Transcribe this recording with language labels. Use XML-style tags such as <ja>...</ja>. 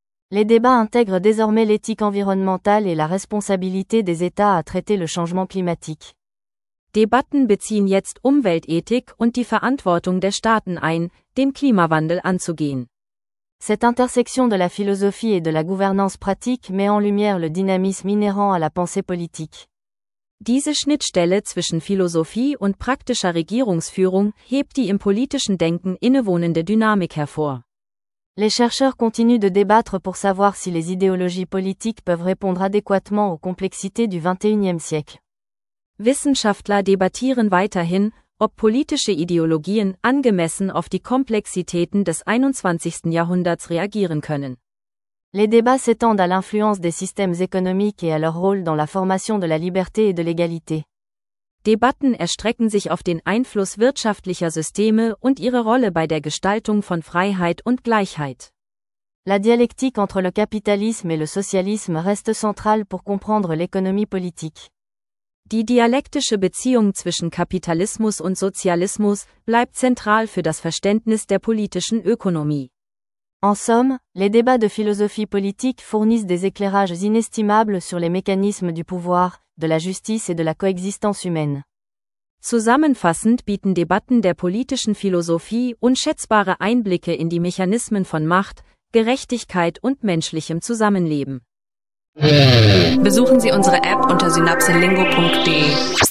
<fr>Les débats intègrent désormais l'éthique environnementale et la responsabilité des États à traiter le changement climatique.</fr> <de>Debatten beziehen jetzt Umweltethik und die Verantwortung der Staaten ein, den Klimawandel anzugehen.</de> <fr>Cette intersection de la philosophie et de la gouvernance pratique met en lumière le dynamisme inhérent à la pensée politique.</fr> <de>Diese Schnittstelle zwischen Philosophie und praktischer Regierungsführung hebt die im politischen Denken innewohnende Dynamik hervor.</de> <fr>Les chercheurs continuent de débattre pour savoir si les idéologies politiques peuvent répondre adéquatement aux complexités du XXIe siècle.</fr> <de>Wissenschaftler debattieren weiterhin, ob politische Ideologien angemessen auf die Komplexitäten des 21. Jahrhunderts reagieren können.</de> <fr>Les débats s'étendent à l'influence des systèmes économiques et à leur rôle dans la formation de la liberté et de l'égalité.</fr> <de>Debatten erstrecken sich auf den Einfluss wirtschaftlicher Systeme und ihre Rolle bei der Gestaltung von Freiheit und Gleichheit.</de> <fr>La dialectique entre le capitalisme et le socialisme reste centrale pour comprendre l'économie politique.</fr> <de>Die dialektische Beziehung zwischen Kapitalismus und Sozialismus bleibt zentral für das Verständnis der politischen Ökonomie.</de> <fr>En somme, les débats de philosophie politique fournissent des éclairages inestimables sur les mécanismes du pouvoir, de la justice et de la coexistence humaine.</fr> <de>Zusammenfassend bieten Debatten der politischen Philosophie unschätzbare Einblicke in die Mechanismen von Macht, Gerechtigkeit und menschlichem Zusammenleben. Besuchen Sie unsere App unter synapsenlingo.de.</de>